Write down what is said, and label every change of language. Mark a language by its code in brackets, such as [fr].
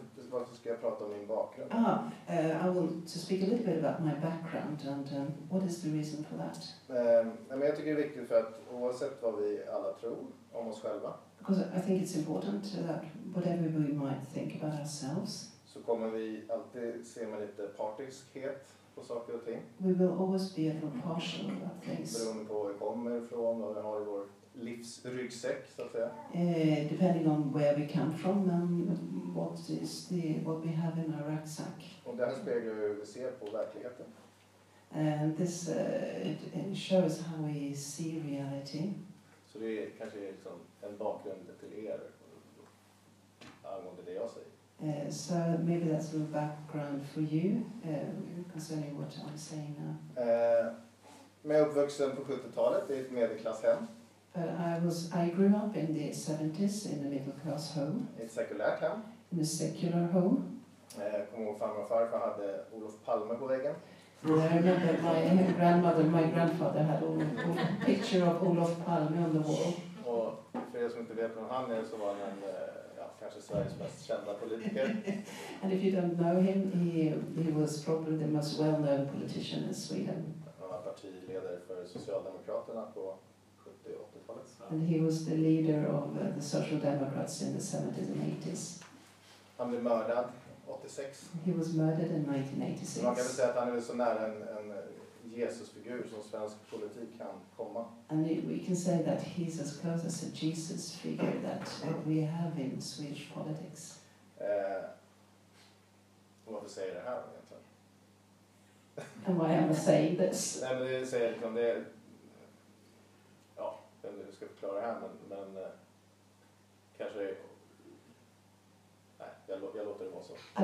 [sv] Varför ska jag prata om min bakgrund? [en] I want to speak a little bit about my background and what is the reason for that? [sv] Men jag tycker det är viktigt för att oavsett vad vi alla tror om oss själva. [en] Because I think it's important that whatever we might think about ourselves. [sv] Så kommer vi alltid se med lite partiskhet på saker och ting. [en] We will always be a little partial about things. [sv] Beroende på var vi kommer ifrån och vad vi har i vår livsryggsäck, så att säga. [en] Depending on where we come from and what we have in our rucksack. [sv] Och där speglar hur vi ser på verkligheten. [en] And this it shows how we see reality. [sv] Så det är kanske liksom en bakgrund till er angående det jag säger. [en] So maybe that's a little background for you concerning what I'm saying now. [sv] Men jag uppvuxen på 70-talet i ett medelklasshem. [en] But I grew up in the 70s in a middle class home. [sv] I ett sekulärt hem. [en] In a secular home. [sv] Jag kommer ihåg farmor och farfar hade Olof Palme på väggen. [en] I remember my grandfather had a picture of Olof Palme on the wall. [sv] Och för er som inte vet vem han är, så var han kanske Sveriges mest kända politiker. [en] And if you don't know him, he was probably the most well-known politician in Sweden. [sv] Han var partiledare för Socialdemokraterna på 70- och 80-talet. [en] And he was the leader of the Social Democrats in the 70s and 80s. [sv] Han blev mördad 86. [en] He was murdered in 1986. [sv] Man kan väl säga att han är så nära en Jesusfigur som svensk politik kan komma. [en] And we can say that he's as close as a Jesus figure that we have in Swedish politics. [sv] Varför säger det här egentligen? [en] And why am I saying this? [sv] Nej, men det säger jag liksom, det är, ja, jag vet inte hur jag ska förklara det här, men kanske det är, jag låter det vara så.